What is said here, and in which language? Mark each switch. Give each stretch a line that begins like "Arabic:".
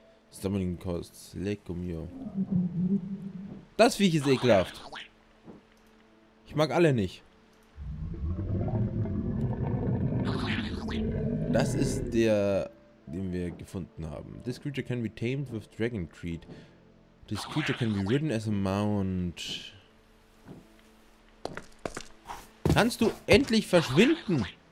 English: Summoning Costs.
German: Lego Mio. Das Viech ist ekelhaft. Ich mag alle nicht. Das ist der, den wir gefunden haben.
English: This creature can be tamed with Dragon Creed. This creature can be ridden as a mount.
German: Kannst du endlich verschwinden?